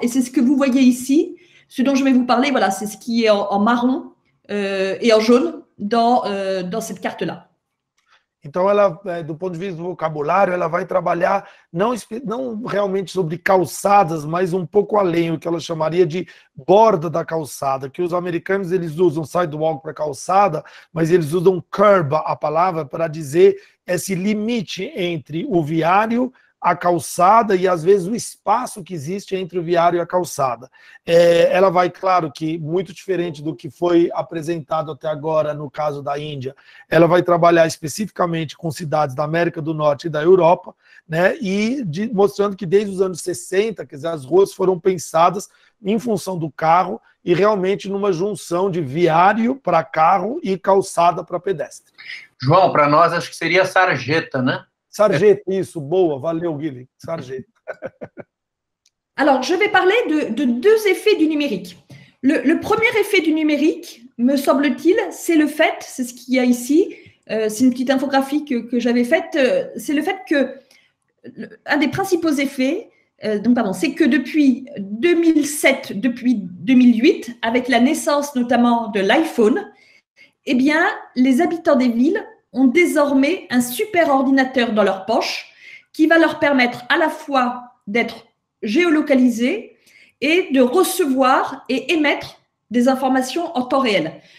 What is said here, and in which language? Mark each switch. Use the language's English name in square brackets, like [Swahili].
[French] Et c'est ce que vous voyez ici, ce dont je vais vous parler, voilà, c'est ce qui est en marron et en jaune dans cette carte-là. [Portuguese] Então, ela, do ponto de vista do vocabulário, ela vai trabalhar não realmente sobre calçadas, mas um pouco além, o que ela chamaria de borda da calçada, que os americanos eles usam sidewalk para calçada, mas eles usam curb, a palavra, para dizer esse limite entre o viário, a calçada e, às vezes, o espaço que existe entre o viário e a calçada. É, ela vai, claro, que muito diferente do que foi apresentado até agora no caso da Índia, ela vai trabalhar especificamente com cidades da América do Norte e da Europa, né, e mostrando que desde os anos 60, quer dizer, as ruas foram pensadas em função do carro e realmente numa junção de viário para carro e calçada para pedestre. João, para nós acho que seria sarjeta, né? Sarjeta, isso, boa, valeu, Guilherme. Sarjeta. [French] Alors, je vais parler de deux effets du numérique. Le premier effet du numérique, me semble-t-il, c'est le fait, c'est ce qu'il y a ici, c'est une petite infographie que j'avais faite, c'est le fait que, un des principaux effets, c'est que depuis 2007, depuis 2008, avec la naissance notamment de l'iPhone, eh bien, les habitants des villes ont désormais un super ordinateur dans leur poche qui va leur permettre à la fois d'être géolocalisés et de recevoir et émettre des informations en temps réel.